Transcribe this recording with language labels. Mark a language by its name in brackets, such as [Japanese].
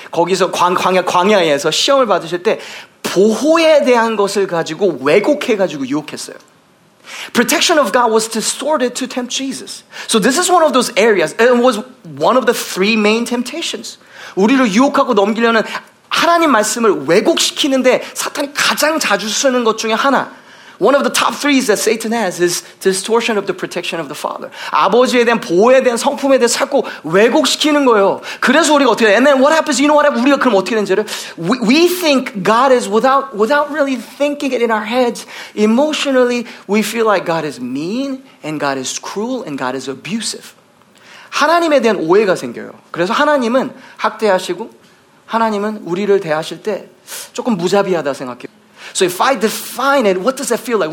[Korean] 거기서 광야에서 시험을 받으실 때 보호에 대한 것을 가지고 왜곡해 가지고 유혹했어요. [English] Protection of God was distorted to tempt Jesus. So this is one of those areas. It was one of the three main temptations. [Korean] 우리를 유혹하고 넘기려는 하나님 말씀을 왜곡시키는데 사탄이 가장 자주 쓰는 것 중에 하나. [English] One of the top threes that Satan has is distortion of the protection of the Father. [Korean] 아버지에 대한 보호에 대한 성품에 대해 자꾸 왜곡시키는 거예요. 그래서 우리가 어떻게 돼? [English] And then what happens? You know what? [Korean] 우리가 그럼 어떻게 되는지를 [English] we think God is without really thinking it in our heads. Emotionally, we feel like God is mean and God is cruel and God is abusive. [Korean] 하나님에 대한 오해가 생겨요. 그래서 하나님은 학대하시고 하나님은 우리를 대하실 때 조금 무자비하다 생각해요. [English] So if I define it, what does that feel like?